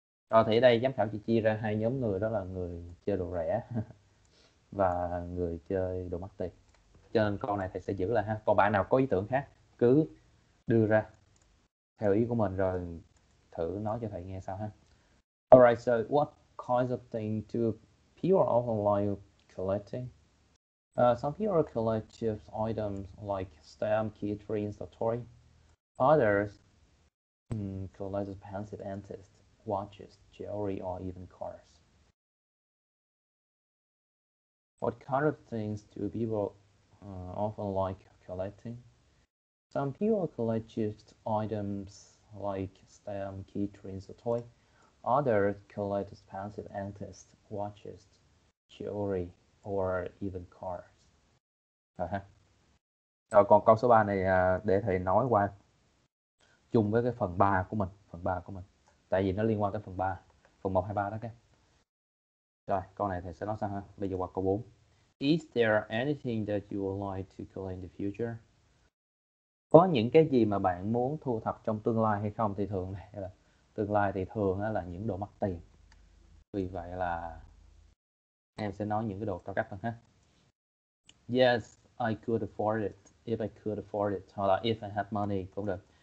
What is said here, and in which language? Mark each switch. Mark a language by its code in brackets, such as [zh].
[vi] Rồi thì ở đây giám khảo chỉ chia ra hai nhóm người, đó là người chơi đồ rẻ và người chơi đồ mắc tiền. Cho nên câu này thầy sẽ giữ lại ha. Còn bạn nào có ý tưởng khác cứ đưa ra theo ý của mình rồi thử nói cho thầy nghe sao ha. [en] Alright, so what kinds of things do people online collecting? Some people collect items like stamp, key rings, or toy. Others collect expensive antiques, watches, jewelry, or even cars. What kind of things do people often like collecting? Some people collect items like stamp, key rings, or toy. Others collect expensive antiques, watches, jewelry, or even cars. [vi] Rồi ha. Rồi còn câu số 3 này để thầy nói qua chung với cái phần 3 của mình, phần 3 của mình. Tại vì nó liên quan tới phần 3, phần 1 2 3 đó các. Rồi, câu này thầy sẽ nói sao ha? Bây giờ qua câu 4. [en] Is there anything that you would like to collect in the future? [vi] Có những cái gì mà bạn muốn thu thập trong tương lai hay không? Thì thường này là tương lai thì thường là những đồ mắc tiền. Vì vậy là em sẽ nói những cái đồ cao cấp hơn ha. [en] Yes, I could afford it. If I could afford it, [vi] hoặc là [en] if I had money [vi] cũng được.